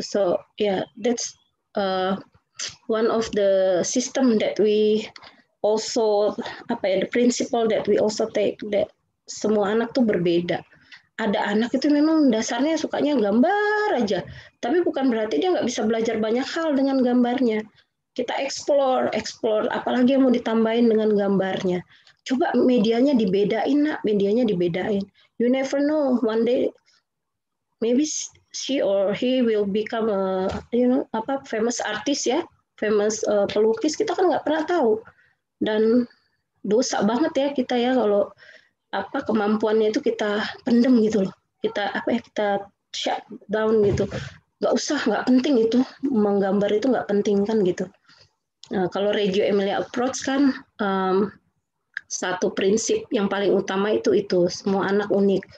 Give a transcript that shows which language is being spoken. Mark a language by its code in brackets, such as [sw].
[en] So yeah, that's one of the system that we also [id] apa ya [en] the principle that we also take that [id] semua anak tuh berbeda. Ada anak itu memang dasarnya sukanya gambar aja, tapi bukan berarti dia nggak bisa belajar banyak hal dengan gambarnya. Kita explore, apalagi yang mau ditambahin dengan gambarnya. Coba medianya dibedain nak, medianya dibedain. [en] You never know, one day maybe she or he will become a, you know, [id] apa [en] famous artist ya, famous pelukis. [id] Kita kan nggak pernah tahu. Dan dosa banget ya kita ya kalau apa kemampuannya itu kita pendem gitu loh. Kita apa ya kita [en] shut down [id] gitu. Nggak usah, nggak penting itu menggambar itu nggak penting kan gitu. Nah, kalau Reggio Emilia approach kan satu prinsip yang paling utama itu semua anak unik.